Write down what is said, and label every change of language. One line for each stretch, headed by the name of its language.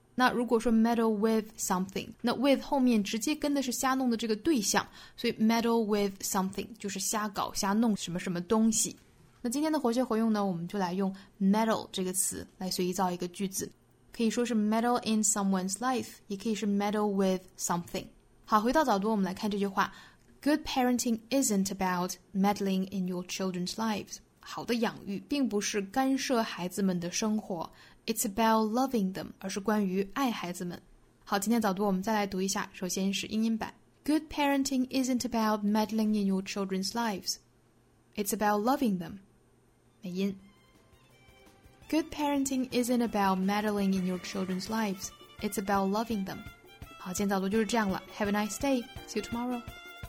Chinese: 那如果说
English: meddle with something,
Chinese: 那 with 后面直接跟的是瞎弄的这个对象，所以 meddle with something 就是瞎搞瞎弄什么什么东西。那今天的活学活用呢，我们就来用 meddle 这个词来随意造一个句子，可以说是
English: meddle in someone's life,
Chinese: 也可以是
English: meddle with something。
Chinese: 好，回到早读，我们来看这句话。
English: Good parenting isn't about meddling in your children's lives.
Chinese: 好的养育并不是干涉孩子们的生活，
English: It's about loving them,
Chinese: 而是关于爱孩子们。好，今天早读我们再来读一下，首先是英音版。
English: Good parenting isn't about meddling in your children's lives. It's about loving them. 美音。 Good parenting isn't about meddling in your children's lives. It's about loving them.
Chinese: 好，今天早读就是这样了。
English: Have a nice day. See you tomorrow.